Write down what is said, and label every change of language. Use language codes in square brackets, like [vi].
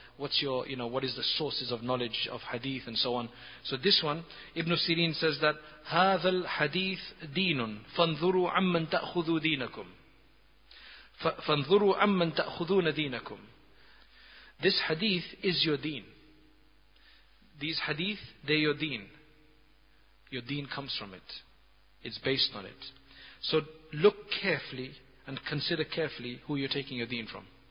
[en] What's your, you know, what is the sources of knowledge of hadith and so on. So this one, Ibn Sirin says that, [ar] هَذَا الْحَدِيثُ دِينٌ فَانْظُرُوا عَمَّنْ تَأْخُذُوا دِينَكُمْ. فانظروا أمن تأخذون دينكم. [en] This hadith is your deen. These hadith, they're your deen. Your deen comes from it. It's based on it. So look carefully and consider carefully who you're taking your deen from.